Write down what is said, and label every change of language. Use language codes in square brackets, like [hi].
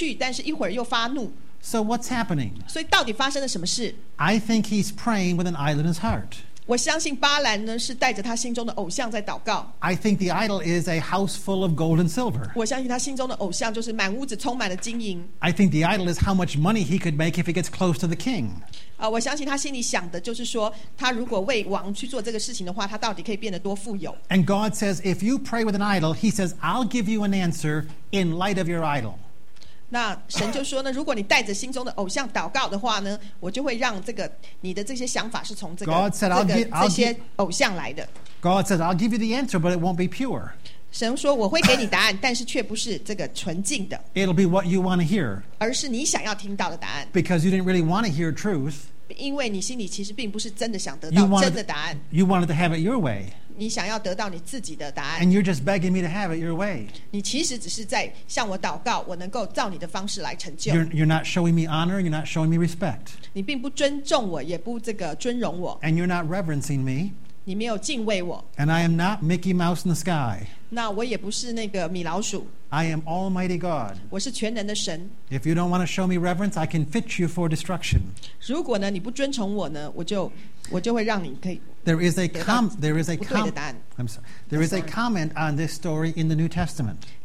[zh] 那我们就看到神一会儿说叫他可以去,但是一会儿又发怒。 [en] So what's happening? [zh] 所以到底发生了什么事? [en] I think he's praying with an idol in his heart. [zh] 我相信巴兰呢是带着他心中的偶像在祷告。 [en] I think the idol is a house full of gold and silver. [zh] 我相信他心中的偶像就是满屋子充满了金银。 [en] I think the idol is how much money he could make if he gets close to the king. [zh] 我相信他心里想的就是说，他如果为王去做这个事情的话，他到底可以变得多富有。 [en] And God says, if you pray with an idol, he says, I'll give you an answer in light of your idol. [zh] 那神就说呢，如果你带着心中的偶像祷告的话呢，我就会让这个你的这些想法是从这个 [en] God said, I'll give [zh] 这些偶像来的。 [en] God said, I'll give you the answer, but it won't be pure. [zh] 神说我会给你答案，但是却不是这个纯净的。 [en] It'll be what you want to hear. [zh] 而是你想要听到的答案。 [en] Because you didn't really want to hear truth. [zh] 因为你心里其实并不是真的想得到真的答案。 [en] You wanted to have it your way. [zh] 你想要得到你自己的答案。 [en] And you're just begging me to have it your way. [zh] 你其实只是在向我祷告，我能够照你的方式来成就。 [en] You're not showing me honor, you're not showing me respect. [zh] 你并不尊重我，也不这个尊荣我。 [en] And you're not reverencing me. [zh] 你没有敬畏我。 [en] And I am not Mickey Mouse in the sky. [zh] 那我也不是那个米老鼠。 [en] I am Almighty God. [zh] 我是全能的神。 [en] If you don't want to show me reverence, I can fit you for destruction. [zh] 如果呢，你不尊崇我呢，我就会让你可以。 [en] There is a comment on this story in the New Testament.